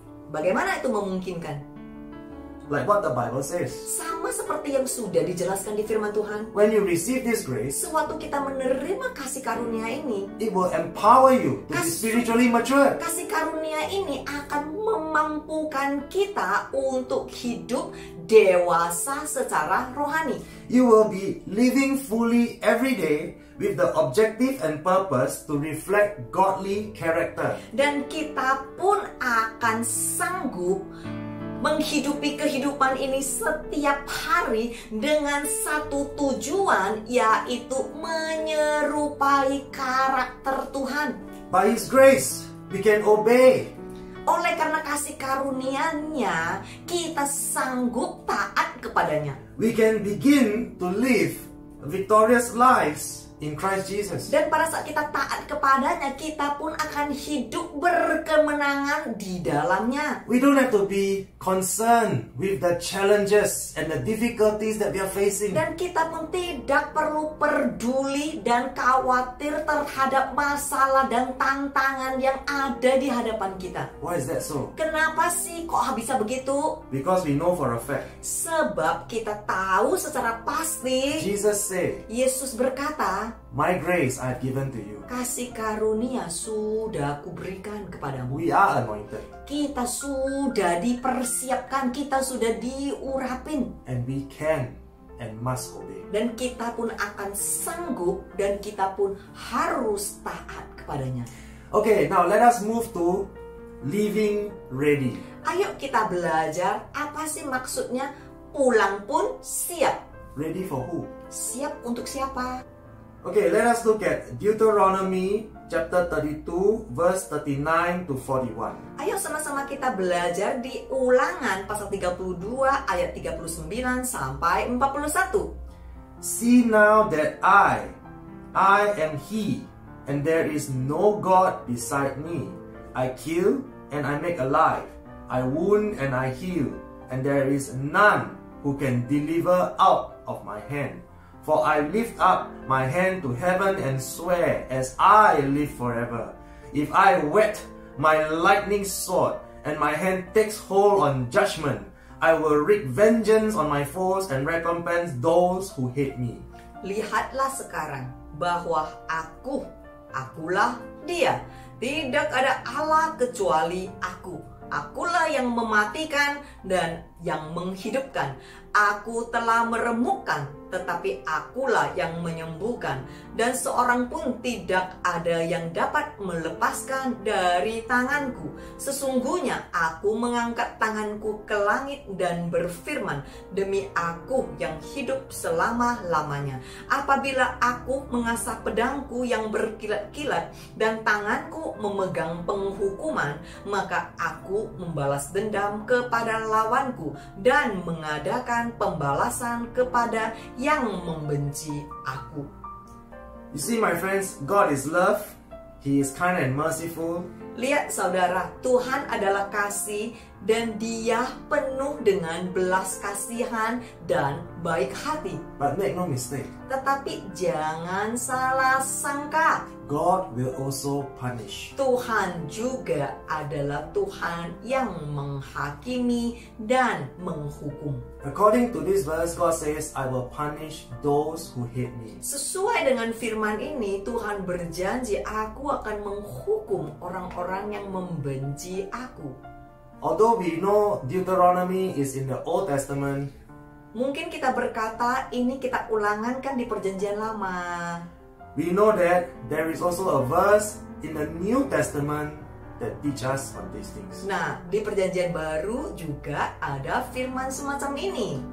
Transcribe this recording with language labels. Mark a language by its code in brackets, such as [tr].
[id] Bagaimana itu memungkinkan? [en] Like what the Bible says. [id] Sama seperti yang sudah dijelaskan di firman Tuhan. [en] When you receive this grace, [id] sewaktu kita menerima kasih karunia ini, [en] it will empower you to be spiritually mature. [id] Kasih karunia ini akan memampukan kita untuk hidup dewasa secara rohani. [en] You will be living fully every day with the objective and purpose to reflect godly character. [id] Dan kita pun akan sanggup menghidupi kehidupan ini setiap hari dengan satu tujuan, yaitu menyerupai karakter Tuhan. [en] By His grace, we can obey. [id] Oleh karena kasih karunia-Nya, kita sanggup taat kepada-Nya. [en] We can begin to live victorious lives in Christ Jesus. [id] Dan pada saat kita taat kepada-Nya, kita pun akan hidup berkemenangan di dalam-Nya. [en] We don't have to be concerned with the challenges and the difficulties that we are facing. [id] Dan kita pun tidak perlu peduli dan khawatir terhadap masalah dan tantangan yang ada di hadapan kita. [en] Why is that so? [id] Kenapa sih kok bisa begitu? [en] Because we know for a fact. [id] Sebab kita tahu secara pasti. [en] Jesus said. [id] Yesus berkata, [en] My grace I have given to you. [id] Kasih karunia sudah kuberikan kepadamu. [en] We are anointed. [id] Kita sudah dipersiapkan, kita sudah diurapin. [en] And we can and must obey. [id] Dan kita pun akan sanggup dan kita pun harus taat kepada-Nya. [en] Okay, now let us move to living ready. [id] Ayo kita belajar apa sih maksudnya pulang pun siap. [en] Ready for who? [id] Siap untuk siapa? [en] Okay, let us look at Deuteronomy chapter 32, verse 39 to 41. [id] Ayo sama-sama kita belajar di Ulangan pasal 32 ayat 39 sampai 41. [en] See now that I am He, and there is no God beside me. I kill and I make alive. I wound and I heal, and there is none who can deliver out of my hand. For I lift up my hand to heaven and swear, as I live forever, if I whet my lightning sword and my hand takes hold on judgment, I will wreak vengeance on my foes and recompense those who hate me. [id] Lihatlah sekarang bahwa akulah dia. Tidak ada Allah kecuali aku. Akulah yang mematikan dan yang menghidupkan. Aku telah meremukkan, tetapi akulah yang menyembuhkan. Dan seorang pun tidak ada yang dapat melepaskan dari tanganku. Sesungguhnya aku mengangkat tanganku ke langit dan berfirman, demi aku yang hidup selama-lamanya. Apabila aku mengasah pedangku yang berkilat-kilat dan tanganku memegang penghukuman, maka aku membalas dendam kepada lawanku dan mengadakan pembalasan kepada yang membenci aku. [en] You see, my friends, God is love. He is kind and merciful. [id] Lihat saudara, Tuhan adalah kasih dan Dia penuh dengan belas kasihan dan baik hati. [en] But make no mistake. [id] Tetapi jangan salah sangka. [en] God will also punish. [id] Tuhan juga adalah Tuhan yang menghakimi dan menghukum. [en] According to this verse, God says, I will punish those who hate me. [id] Sesuai dengan firman ini, Tuhan berjanji, aku akan menghukum orang-orang yang membenci aku. [en] Although we know Deuteronomy is in the Old Testament, [id] mungkin kita berkata, ini kita ulangan kan di Perjanjian Lama. [en] We know that there is also a verse in the New Testament that teach us on these things. [id] Nah, di Perjanjian Baru juga ada firman semacam ini.